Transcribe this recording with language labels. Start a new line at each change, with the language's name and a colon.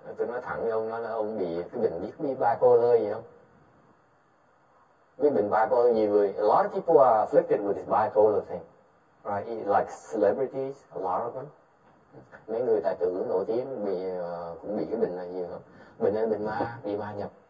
Vietnamese: Tôi nói thẳng với ông, nói là ông bị cái bệnh biết bipolar gì không? Biết bệnh bipolar nhiều người.
English: A lot of people are afflicted with this bipolar thing, right? Like celebrities, a lot of them.
Vietnamese: Mấy người tài tử nổi tiếng bị cũng bị cái bệnh này nhiều không? Bệnh này bệnh ma, bị ma nhập.